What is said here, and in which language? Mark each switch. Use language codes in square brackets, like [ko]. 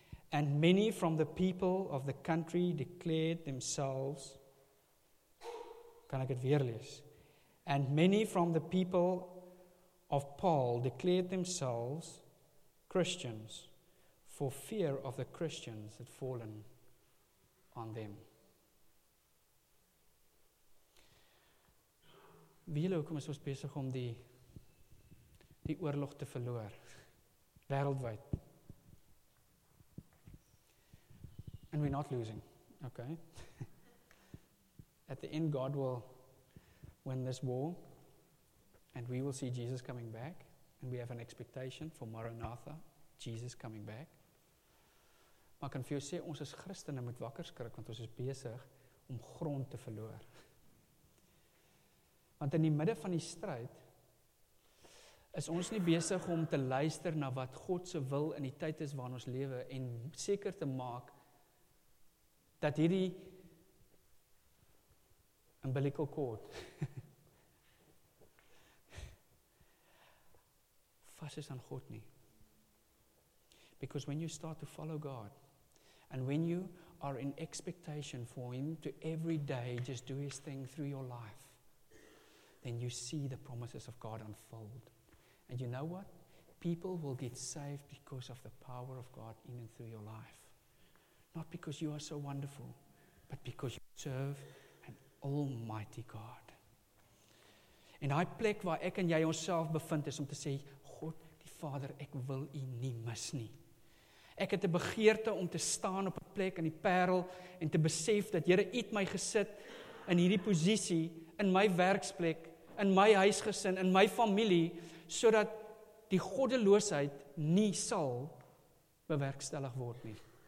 [en] And many from the people of the country declared themselves. [af] Kan ek het weer lees? [en] And many from the people of Paul declared themselves Christians, for fear of the Christians had fallen on them. [af] Wie julle, hoekom is ons besig om die oorlog te verloor, wêreldwyd? [en] And we're not losing, okay? At the end, God will win this war, and we will see Jesus coming back, and we have an expectation for Maranatha, Jesus coming back. [af] Maar kan vir jou sê, ons as Christene moet wakker skrik, want ons is besig om grond te verloor. Want in die midde van die stryd, is ons nie besig om te luister na wat God se wil in die tyd is waarin ons lewe en seker te maak dat hierdie umbilical cord vas is aan God nie. [en] Because when you start to follow God and when you are in expectation for him to every day just do his thing through your life, then you see the promises of God unfold. And you know what? People will get saved because of the power of God in and through your life. Not because you are so wonderful, but because you serve an almighty God. [af] En daai plek waar ek en jy onsself bevind is om te sê, God die Vader, ek wil u nie mis nie. Ek het 'n begeerte om te staan op 'n plek in die parel en te besef dat Here het my gesit in hierdie posisie, in my werksplek, in my huisgesin, in my familie, sodat die goddeloosheid nie sal bewerkstellig word nie.